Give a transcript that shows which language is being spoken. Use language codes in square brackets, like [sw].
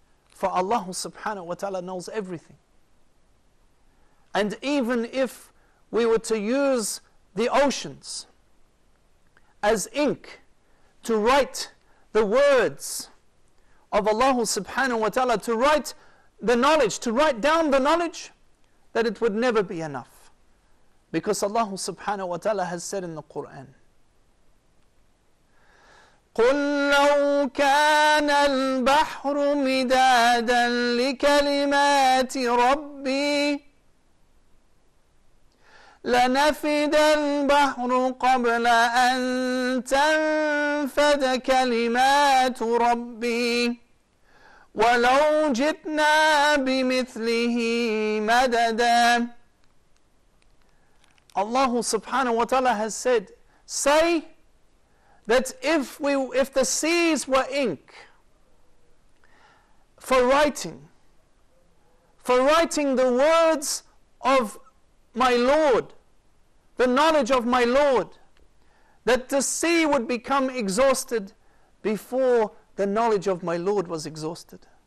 [en] For Allah subhanahu wa ta'ala knows everything. And even if we were to use the oceans as ink to write the words of Allah subhanahu wa ta'ala, to write the knowledge, to write down the knowledge, that it would never be enough. Because Allah subhanahu wa ta'ala has said in the Quran, [ar] قُلْ لَوْ كَانَ الْبَحْرُ مِدَادًا لِكَلِمَاتِ رَبِّي لنفد البحر قبل أن تنفد كلمات ربي ولو جئنا بمثله مددا. [en] Allah subhanahu wa ta'ala has said, say that if the seas were ink for writing the words of my Lord, the knowledge of my Lord, that the sea would become exhausted before the knowledge of my Lord was exhausted.